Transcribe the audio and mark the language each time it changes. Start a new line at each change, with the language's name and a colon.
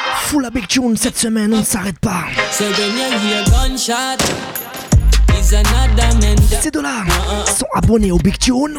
English: Full a big tune
French: cette semaine, on s'arrête pas.
English: So when you hear gunshot, it's another man.
French: Ces deux-là sont abonnés au big tune.